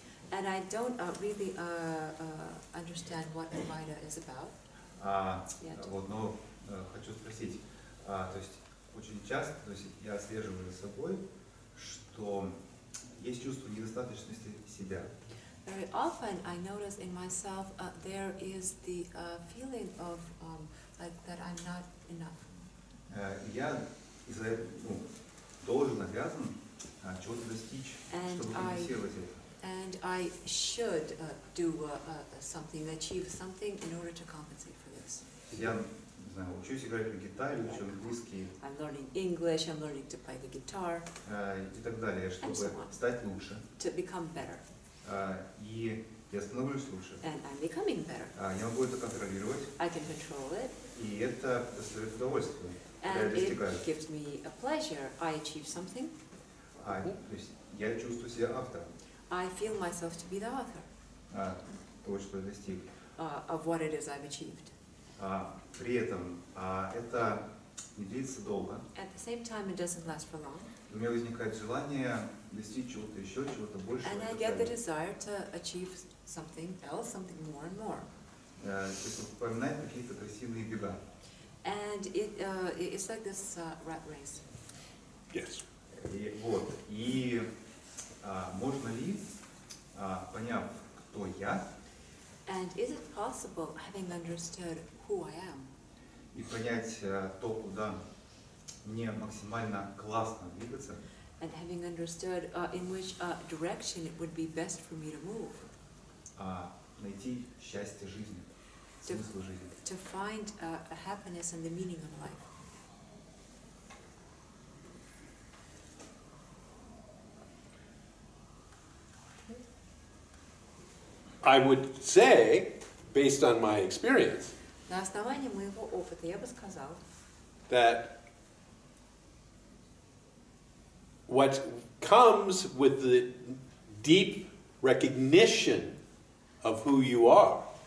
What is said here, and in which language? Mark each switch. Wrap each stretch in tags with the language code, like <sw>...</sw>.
<en>And I don't really understand what Advaita is about.</en> <ru>Хочу спросить. То есть очень часто, то есть я отслеживаю за собой, что есть чувство недостаточности себя.</ru> <en>Very often, I notice in myself there is the feeling of like that I'm not enough.</en> <ru>Я из-за этого должен, обязан чего-то достичь, чтобы компенсировать это.</ru> <en>and I should do something, achieve something in order to compensate for this.</en> <ru>Учусь играть на гитаре, учу английский.</ru> <en>I'm learning English, I'm learning to play the guitar.</en> <ru>И так далее, чтобы стать лучше.</ru> <en>To become better.</en> <ru>И я становлюсь лучше.</ru> <en>And I'm becoming better.</en> <ru>Я могу это контролировать.</ru> <en>I can control it.</en> <ru>И это доставляет удовольствие.</ru> <en>And it gives me a pleasure. I achieve something.</en> <ru>То есть я чувствую себя автором.</ru> <en>I feel myself to be the author.</en> <ru>Того, что я достиг.</ru> <en>Of what it is I've achieved.</en> <ru>При этом это не длится долго.</ru> <en>At the same time, it doesn't last for long.</en> <ru>У меня возникает желание достичь чего-то еще, чего-то большего.</ru> <en>And I get the desire to achieve something else, something more and more.</en> <ru>Это напоминает какие-то красивые бега.</ru> <en>And it it's like this rat race. Yes.</en> <ru>И вот. И можно ли, поняв, кто я?</ru> <en>And is it possible, having understood who I am,</en> <ru>и понять то, куда мне максимально классно двигаться,</ru> <en>and having understood in which direction it would be best for me to move,</en> <ru>найти счастье жизни, смысл жизни,</ru> <en>to find a happiness and the meaning of life. I would say, based on my experience,</en> <ru>на основании моего опыта, я бы сказал,</ru> <en>that what comes with the deep recognition of who you are,</en>